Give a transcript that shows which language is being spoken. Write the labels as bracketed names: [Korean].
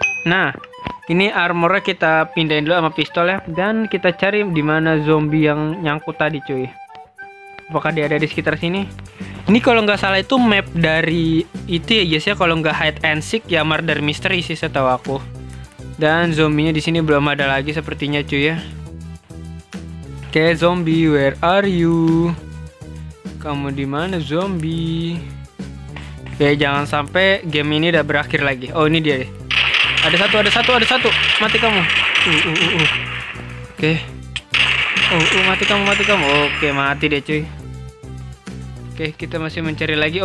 [Indonesian] Nah, ini armornya kita pindahin dulu sama pistol ya, dan kita cari di mana zombie yang nyangkut tadi cuy. Apakah dia ada di sekitar sini? Ini kalau nggak salah itu map dari itu ya guys ya, kalau nggak hide and seek ya murder mystery sih setahu aku. Dan zombinya di sini belum ada lagi sepertinya cuy ya. [English] Oke, zombie, where are you? [Indonesian] Kamu di mana zombie? Oke, jangan sampai game ini udah berakhir lagi. Oh, ini dia deh. Ada satu. Mati kamu. Oke. Mati kamu. Oke, mati deh cuy. Oke, kita masih mencari lagi.